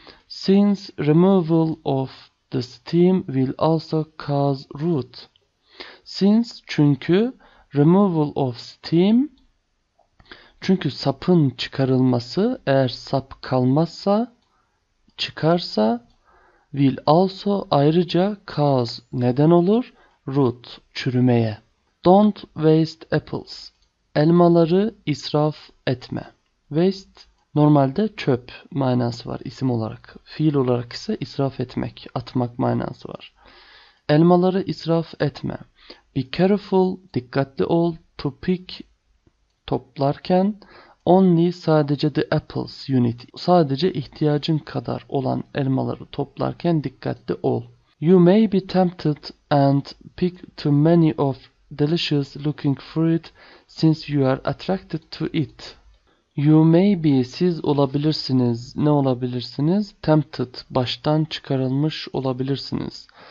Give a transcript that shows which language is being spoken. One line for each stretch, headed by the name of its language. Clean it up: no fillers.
English: Since removal of the steam will also cause rot. Since,
Turkish: çünkü,
English: removal of steam,
Turkish: çünkü sapın çıkarılması, eğer sap kalmazsa, çıkarsa,
English: will also,
Turkish: ayrıca,
English: cause,
Turkish: neden olur,
English: rot,
Turkish: çürümeye.
English: Don't waste apples,
Turkish: elmaları israf etme. Waste, normalde çöp manası var isim olarak. Fiil olarak ise israf etmek, atmak manası var. Elmaları israf etme.
English: Be careful,
Turkish: dikkatli ol.
English: To pick,
Turkish: toplarken.
English: Only,
Turkish: sadece
English: the apples you need.
Turkish: Sadece ihtiyacın kadar olan elmaları toplarken dikkatli ol.
English: You may be tempted and pick too many of delicious looking fruit since you are attracted to it. You may be,
Turkish: siz olabilirsiniz. Ne olabilirsiniz?
English: Tempted,
Turkish: baştan çıkarılmış olabilirsiniz.